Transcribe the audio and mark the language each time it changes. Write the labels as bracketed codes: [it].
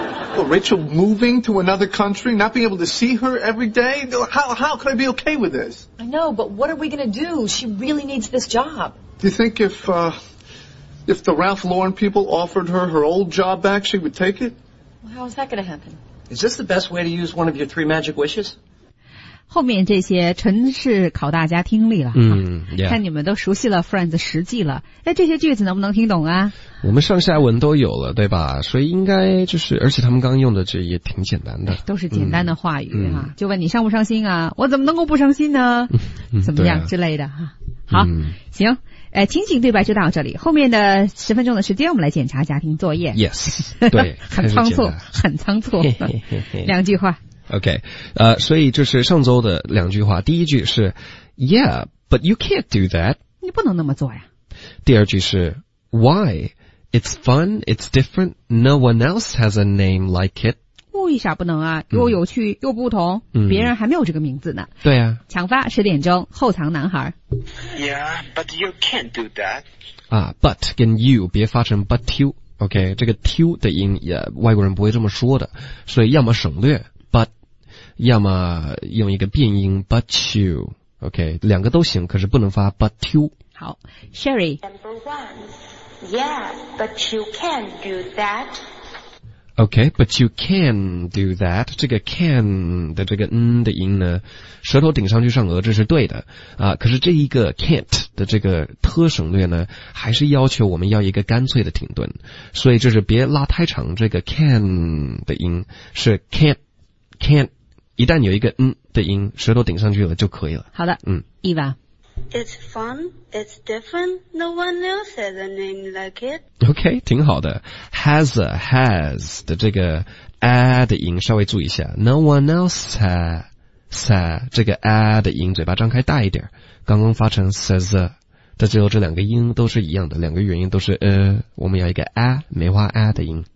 [en] Well, Rachel moving to another country, not being able to see her every day? How could I be okay with this? I know, but what are we going to do? She really needs this job. Do you think if, If the Ralph Lauren people offered her her old job back, she would take it? Well, how is that going to happen? Is this the best way to use one of your three magic wishes? [zh] 后面这些纯是考大家听力了、 [en] yeah. [zh] 看你们都熟悉了 Friends 实际了，那这些句子能不能听懂啊？我们上下文都有了对吧，所以应该就是，而且他们刚用的这也挺简单的，都是简单的话语、就问你伤不伤心啊，我怎么能够不伤心呢、怎么样、之类的哈。好、行，情景对白就到这里，后面的十分钟的时间我们来检查家庭作业。 [en] Yes， [zh] 对，很仓促很仓促。两句话 OK， 所以这是上周的两句话。第一句是 [en] ，Yeah， but you can't do that。 [zh] 你不能那么做呀。第二句是 ， [en] Why？ It's fun， it's different， no one else has a name like it。 [zh] 为啥不能啊？又有趣、又不同、别人还没有这个名字呢。对啊。抢发十点钟，后藏男孩。 [en] Yeah， but you can't do that。 [zh] 啊 ，but 跟 you 别发成 [en] but you。 [zh] OK， 这个 you 的音也外国人不会这么说的，所以要么省略。 But， 要么用一个变音 [en] but you， [zh] OK， 两个都行，可是不能发 but you。好 ，Sherry。 [en] Number one， yeah， but you can do that。 OK， but you can do that。 [zh] 这个 can 的这个的音呢，舌头顶上去上颚，这是对的啊。可是这一个 can't 的这个特省略呢，还是要求我们要一个干脆的停顿，所以就是别拉太长。这个 can 的音是 can't。 Can， 一旦有一个的音，舌头顶上去了就可以了。好的，Eva。 [en] It's fun, it's different, no one else has a name like it. [zh] OK， 挺好的。Has a has 的这个 a 的音稍微注意一下 ， [en] no one else has a [zh] 这个 a 的音，嘴巴张开大一点，刚刚发成 [en] says a， [zh] 但最后这两个音都是一样的，两个元音都是我们要一个 a， 梅花 a 的音。